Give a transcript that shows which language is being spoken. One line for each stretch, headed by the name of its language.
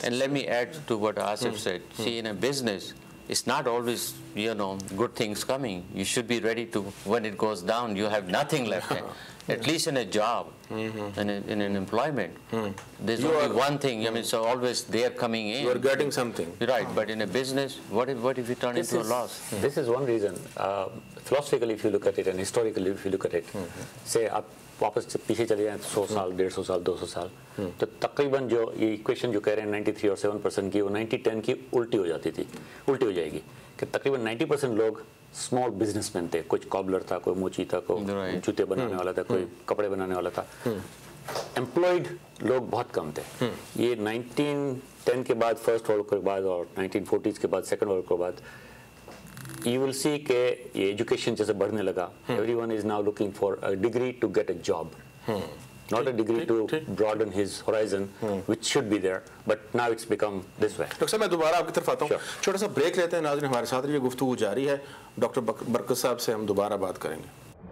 English: And let me add to what Asif said. See, in a business, it's not always, you know, good things coming. You should be ready to, when it goes down, you have nothing left. At least in a job, in an employment, there's you only are, one thing. I mean, so always they are coming in. You are getting something. Right, but in a business, what if you turn this into is, a loss? This is one reason. Philosophically, if you look at it, and historically, if you look at it, say,
Hindi: वापस पीछे चले जाएं 100 साल 150 साल 200 साल तो तकरीबन जो ये इक्वेशन जो कह रहे हैं 93 और 7% की वो 90-10 की उल्टी हो जाती थी उल्टी हो जाएगी कि तकरीबन 90% लोग स्मॉल बिजनेसमैन थे कुछ कॉबलर था कोई मोची था कोई जूते बनाने वाला था कोई कपड़े बनाने वाला था एम्प्लॉयड लोग बहुत कम थे ये 1910 के बाद फर्स्ट वर्ल्ड के बाद और 1940s के बाद सेकेंड वर्ल्ड के बाद
English: You will see that education just a burden. Everyone is now looking for a degree to get a job. not a degree to broaden his horizon, which should be there, but now it's become this way. Dr.
Hindi: Sir, मैं दोबारा आपकी तरफ आता हूँ. छोटा सा break लेते हैं नाज़रीन, हमारे साथ ये गुफ्तगू जारी है. डॉक्टर बरकत साहब से हम दोबारा बात करेंगे.